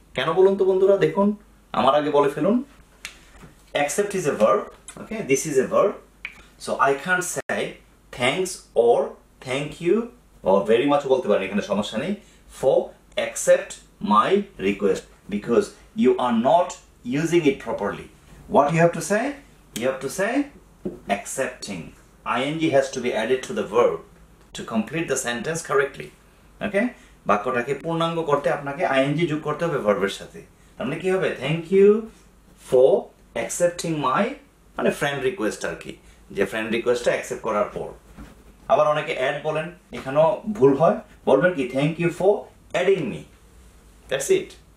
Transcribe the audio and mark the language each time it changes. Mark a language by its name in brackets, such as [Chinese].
[Bangla] কেন বলুন তো বন্ধুরা, দেখুন আমার আগে বলে ফেলুন, [English] accept is a verb, okay, this is a verb, so I can't say thanks or thank you or very much [Bangla] বলতে পারি, এখানে সমস্যা নেই, [English] For accept my request, because you are not using it properly. What you have to say, accepting. ing has to be added to the verb to complete the sentence correctly. Okay? [Bangla] বাক্যটাকে পূর্ণাঙ্গ করতে আপনাকে ing যোগ করতে হবে ভার্বের সাথে। তাহলে কি হবে, [English] thank you for accepting my, [Bangla] মানে ফ্রেন্ড রিকোয়েস্ট আর কি, যে ফ্রেন্ড রিকোয়েস্টটা অ্যাকসেপ্ট করার পর। আবার অনেকে অ্যাড বলেন, এখানেও ভুল হয়, বলবেন কি [English] Thank you for adding me, that's it.